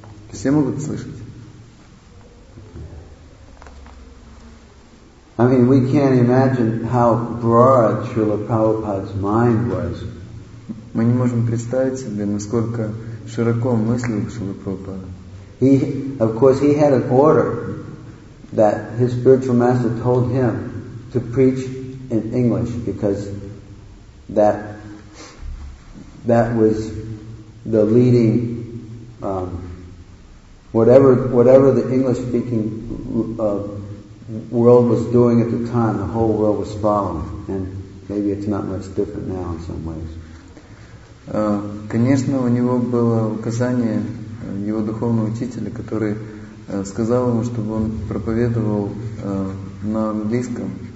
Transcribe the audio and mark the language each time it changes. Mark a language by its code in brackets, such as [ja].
[ru] Все могут слышать? [en] I mean, we can't imagine how broad Srila Prabhupada's mind was. [ru] Мы не можем представить себе, насколько широко мыслил Шрила Прабхупада. [en] He, of course, he had an order that his spiritual master told him to preach in English because that was the leading whatever the English speaking world was doing at the time, the whole world was following. And maybe it's not much different now in some ways. [ru] Конечно, у него было указание его духовного учителя, который сказал ему, чтобы он проповедовал на английском.